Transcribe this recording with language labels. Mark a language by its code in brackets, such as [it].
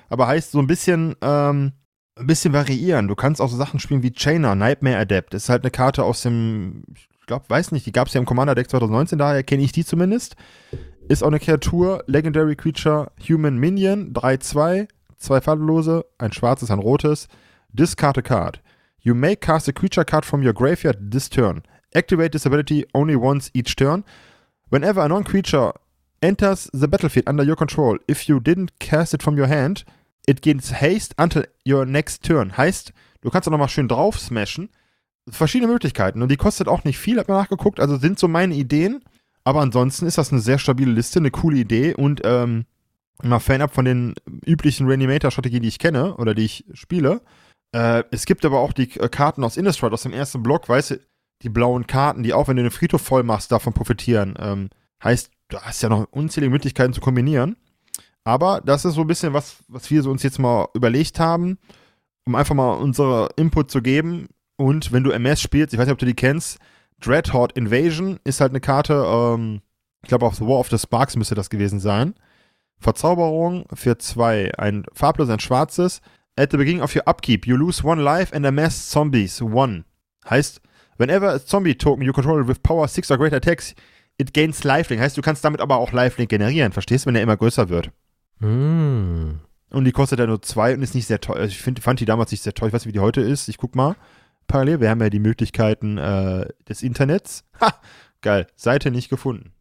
[de] Aber heißt so ein bisschen variieren. Du kannst auch so Sachen spielen wie Chainer, Nightmare Adept. Das ist halt eine Karte aus dem, die gab es ja im Commander-Deck 2019, daher kenne ich die zumindest. Ist auch eine Kreatur, Legendary Creature, Human Minion, 3-2, 2 farblose, ein schwarzes, ein rotes. [en] Discard a card. You may cast a creature card from your graveyard this turn. Activate this ability only once each turn. Whenever a non-creature enters the battlefield under your control, if you didn't cast it from your hand, it gains haste until your next turn. [de] Heißt, du kannst auch nochmal schön drauf smashen. Verschiedene Möglichkeiten. Und die kostet auch nicht viel, hab mir nachgeguckt. Also sind so meine Ideen. Aber ansonsten ist das eine sehr stabile Liste, eine coole Idee. Und mal Fan-up von den üblichen Reanimator-Strategien, die ich kenne oder die ich spiele. Es gibt aber auch die Karten aus Innistrad, aus dem ersten Block. Weißt du, die blauen Karten, die auch, wenn du den Friedhof voll machst, davon profitieren. Heißt, du hast ja noch unzählige Möglichkeiten zu kombinieren. Aber das ist so ein bisschen was wir so uns jetzt mal überlegt haben, um einfach mal unsere Input zu geben. Und wenn du MS spielst, ich weiß nicht, ob du die kennst, Dreadhorde Invasion ist halt eine Karte, ich glaube, auf The War of the Sparks müsste das gewesen sein. Verzauberung für 2, ein farblos, ein schwarzes. [en] At the beginning of your upkeep, you lose 1 life and amass zombies, 1. [de] Heißt, [en] whenever a zombie token you control with power 6 or greater attacks, it gains lifelink. [de] Heißt, du kannst damit aber auch Lifelink generieren, verstehst du, wenn er immer größer wird. Und die kostet ja nur 2 und ist nicht sehr teuer. Ich fand die damals nicht sehr teuer. Ich weiß nicht, wie die heute ist. Ich guck mal parallel. Wir haben ja die Möglichkeiten des Internets. Ha, geil. Seite nicht gefunden.